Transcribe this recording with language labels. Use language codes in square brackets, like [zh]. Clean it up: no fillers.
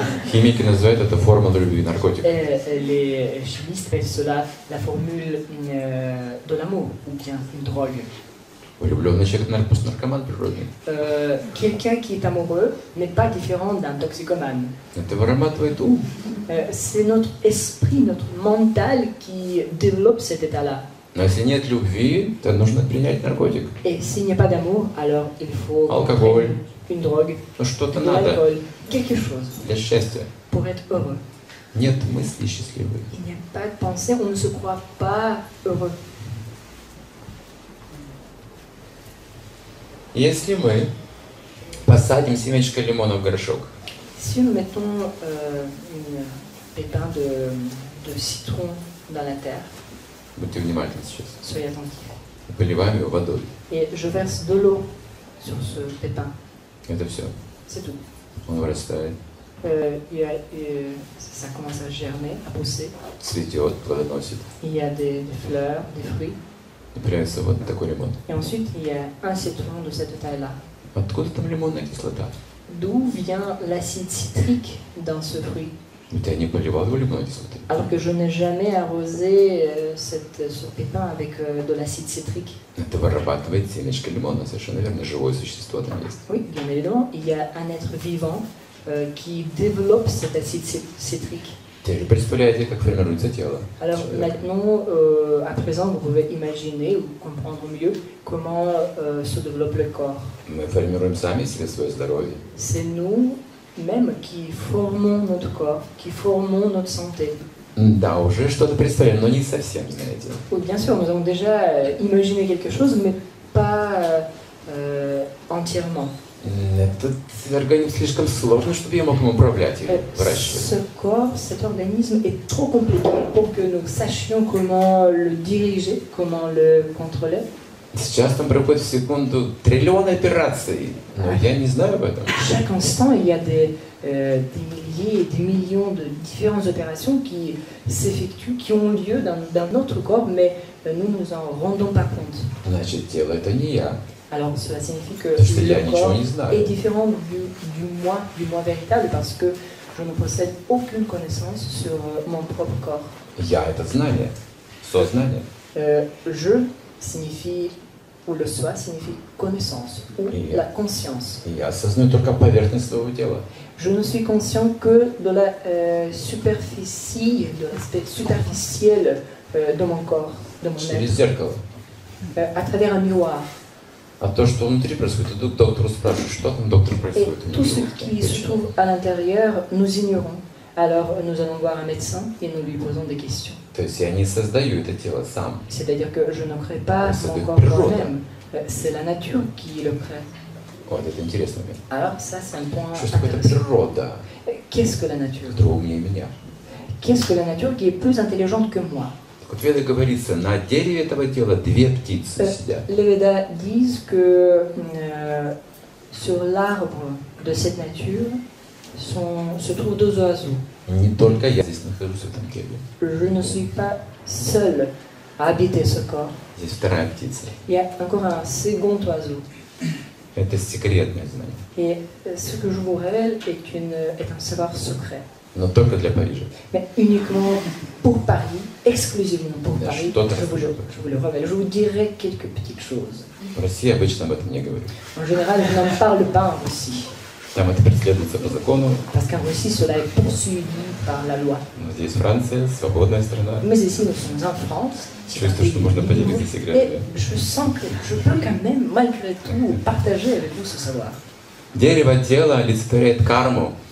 [ru] Химики называют это формулой любви, наркотик. [fr] Les chimistes appellent cela la formule de l'amour ou bien une drogue. [ru] Влюблённый человек, наверное, просто наркоман природный. [fr] Quelqu'un qui est amoureux n'est pas différent d'un toxicoman. [ru] Это вырабатывает ум. [fr] C'est notre esprit, notre mental qui développe cet état-là. [ru] Но если нет любви, то нужно принять наркотик. [fr] Et s'il n'y a pas d'amour, alors il faut. [ru] Алкоголь. [fr] Une drogue, [ru] ну, что-то надо. [fr] Quelque chose. [ru] Для счастья. [fr] Pour être heureux. [ru] Нет мысли счастливой. [fr] Il n'y a pas de pensée, on ne se croit pas heureux. [ru] Если мы посадим семечко лимона в горшок. [fr] Si nous mettons une pépin de citron dans la terre. [ru] Будьте внимательны сейчас. [fr] Soyez attentifs. [ru] Поливаем его водой. [fr] Et je verse de l'eau sur ce pépin. [ru] Это все. [fr] C'est tout. [ru] Он вырастает. [fr] Ça commence à germer, à pousser. [ru] Цветет, плодоносит. [fr] Il y a des fleurs, des fruits. [ru] И появляется вот такой лимон. [fr] Et ensuite, il y a un citron de cette taille-là. [ru] Откуда там лимонная кислота? [fr] D'où vient l'acide citrique dans ce fruit? Mais t'as [ru] не поливал его лимонной кислотой. [fr] Alors que je n'ai jamais arrosé ce pépin avec de l'acide citrique. [ru] Это вырабатывает семечко лимона, совершенно верно, живое существо там есть. [fr] Oui, bien évidemment, il y a un être vivant qui développe cet acide citrique. [ru] Теперь представляете, как формируется тело. [fr] Alors человека. Maintenant, à présent, vous pouvez imaginer ou comprendre mieux comment se développe le corps. [ru] Мы формируем сами себе свое здоровье. [fr] C'est nous même qui formons notre corps, qui formons notre santé. [ru] Да, уже что-то представили, но не совсем, знаете. [fr] Oui, bien sûr, nous avons déjà imaginé quelque chose, mais pas entièrement. [ru] Этот организм слишком сложный, чтобы я мог им управлять или выращивать. [fr] Ce corps, cet organisme est trop compliqué pour que nous sachions comment le diriger, comment le contrôler. [ru] Сейчас там проходит в секунду триллионы операций, но я не знаю об этом. [fr] Chaque instant, il y a des milliers et des millions de différentes opérations qui s'effectuent, qui ont lieu dans notre corps, mais nous nous en rendons pas compte. [ru] Значит, тело это не я. [fr] Alors cela signifie que parce le corps est différent du moi véritable, parce que je ne possède aucune connaissance sur mon propre corps. [ru] Я это знание, сознание. [fr] Je signifie ou le soi signifie connaissance ou la conscience. [ru] Я осознаю только поверхность своего тела. [fr] Je ne suis conscient que de la superficie, de l'aspect superficiel de mon corps, de mon [ru] Через être. Зеркало. [fr] À travers un miroir. [ru] А то, что внутри происходит, иду к доктору спрашиваю, что там доктор происходит. [fr] Et tout ce qui se trouve à l'intérieur, nous ignorons. Alors, nous allons voir un médecin et nous lui posons des questions. [ru] То есть я не создаю это тело сам. [fr] C'est-à-dire que je ne crée pas mon corps moi-même. C'est la nature qui le crée. [ru] Вот это интересный момент. [fr] Alors, ça, c'est un point [ru] Что такое это природа? [fr] Qu'est-ce que la nature? [ru] Которая умнее меня. [fr] Qu'est-ce que la nature qui est plus intelligente que moi? [ru] Вот веды говорится, на дереве этого тела две птицы сидят. [fr] Les Védas disent que sur l'arbre de cette nature se trouvent deux oiseaux. [ru] Не только я здесь нахожусь в этом теле. [fr] Je ne suis pas seul à habiter ce corps. [ru] Здесь вторая птица. [fr] Il y a encore un second oiseau. [ru] Это секретное знание. [fr] Et ce que je vous révèle est un savoir secret. [ru] Но только для Парижа. [fr] Mais uniquement pour Paris, exclusivement pour Paris. Je vous le révèle. Je vous dirai quelques petites choses. [ru] В России обычно об этом не говорят. [fr] En général, je n'en parle pas en Russie. [ru] Там это преследуется по закону. [fr] Parce qu'en Russie, cela est poursuivi par la loi. [ru] Но здесь Франция, свободная страна. [fr] Mais ici, nous sommes en France. [ru] Чувствую, что можно поделиться секретами. [fr] Et je sens que je peux quand même, malgré tout, partager avec vous ce savoir. [ru] Дерево тела олицетворяет карму.